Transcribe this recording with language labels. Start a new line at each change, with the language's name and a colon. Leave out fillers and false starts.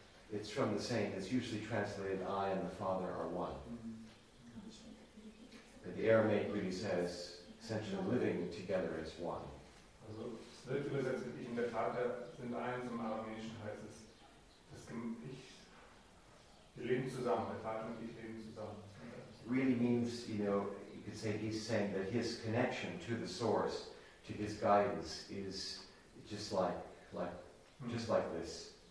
English: It's from the saying that's usually translated, I and the Father are one. But the Aramaic really says, essentially living together as one.
German: Also, es wird übersetzt mit Ich und der Vater sind eins, im Aramäischen heißt es, das Ich, wir leben zusammen, der Vater und ich leben zusammen.
English: Really means, you know, you could say he's saying that his connection to the source, to his guidance, is just just like this.